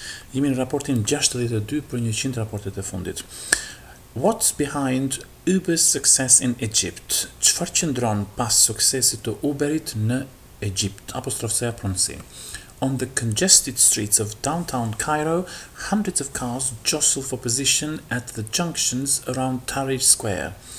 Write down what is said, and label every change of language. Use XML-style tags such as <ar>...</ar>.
<sq>Jemi në raportin 62 për 100 raportet e fundit.</sq> <en>What's behind Uber's success in Egypt?</en> <sq>Çfarë qëndron pas suksesit të Uberit në Egypt? Apostrofseja pronësi.</sq> <en>On the congested streets of downtown Cairo, hundreds of cars jostle for position at the junctions around Tahrir Square.</en>